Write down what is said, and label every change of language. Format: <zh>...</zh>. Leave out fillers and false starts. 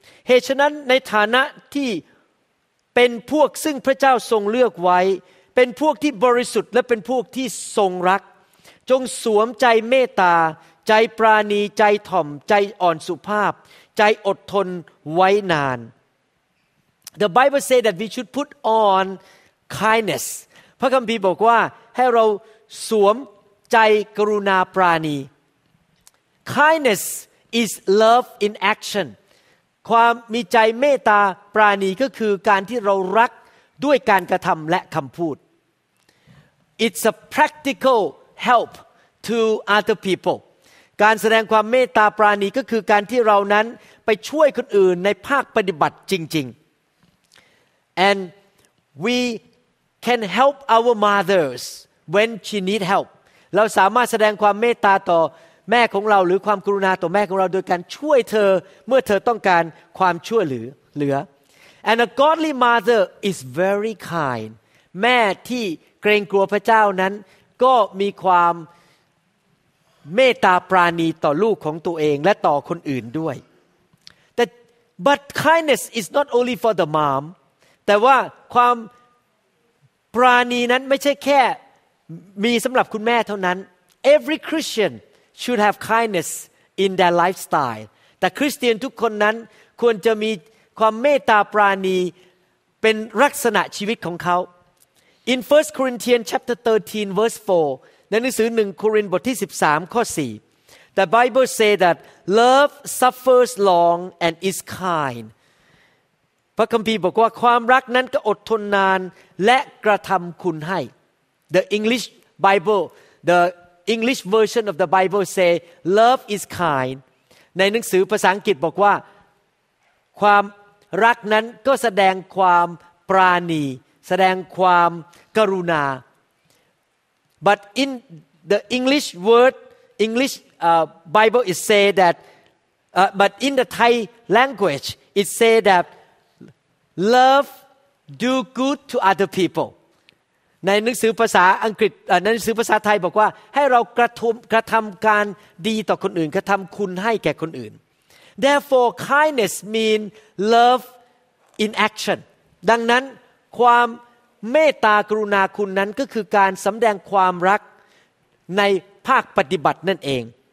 <th>เหตุฉะนั้นในฐานะที่เป็นพวกซึ่งพระเจ้าทรงเลือกไว้เป็นพวกที่บริสุทธิ์และเป็นพวกที่ทรงรักจงสวมใจเมตตาใจปราณีใจถ่อมใจอ่อนสุภาพใจอดทนไว้นาน</th> <en>The Bible says that we should put on kindness</en> <th>พระคัมภีร์บอกว่าให้เราสวมใจกรุณาปราณี</th> <en>Kindness is love in action</en> <th>ความมีใจเมตตาปราณีก็คือการที่เรารักด้วยการกระทำและคำพูด</th> <en>It's a practical help to other people</en> <th>การแสดงความเมตตาปราณีก็คือการที่เรานั้นไปช่วยคนอื่นในภาคปฏิบัติจริง</th> <en>ๆ And we can help our mothers when she need help</en> <th>เราสามารถแสดงความเมตตาต่อแม่ของเราหรือความกรุณาต่อแม่ของเราโดยการช่วยเธอเมื่อเธอต้องการความช่วยเหลือ</th> <en>And a godly mother is very kind</en> <th>แม่ที่เกรงกลัวพระเจ้านั้นก็มีความเมตตาปราณีต่อลูกของตัวเองและต่อคนอื่นด้วย</th> <en>But kindness is not only for the mom</en> <th>แต่ว่าความปราณีนั้นไม่ใช่แค่มีสำหรับคุณแม่เท่านั้น</th> <en>Every Christian should have kindness in their lifestyle</en> <th>แต่คริสเตียนทุกคนนั้นควรจะมีความเมตตาปราณีเป็นลักษณะชีวิตของเขา</th> <en>In 1 Corinthians chapter 13 verse 4</en> <th>ในหนังสือ1โครินธ์บทที่13ข้อ4</th> <en>The Bible say that love suffers long and is kind</en> <th>พระคัมภีร์บอกว่าความรักนั้นก็อดทนนานและกระทำคุณให้</th> <en>The English version of the Bible say love is kind</en> <th>ในหนังสือภาษาอังกฤษบอกว่าความรักนั้นก็แสดงความปราณีแสดงความกรุณา</th> <en>But in the English word, English Bible, it say that, but in the Thai language, it say that love do good to other people.</en> <th>ในหนังสือภาษาอังกฤษในหนังสือภาษาไทยบอกว่าให้เรากระทำการดีต่อคนอื่นกระทำคุณให้แก่คนอื่น</th> <en>Therefore, kindness mean love in action.</en> <th>ดังนั้นความเมตตากรุณาคุณนั้นก็คือการสำแดงความรักในภาคปฏิบัตินั่นเอง</th>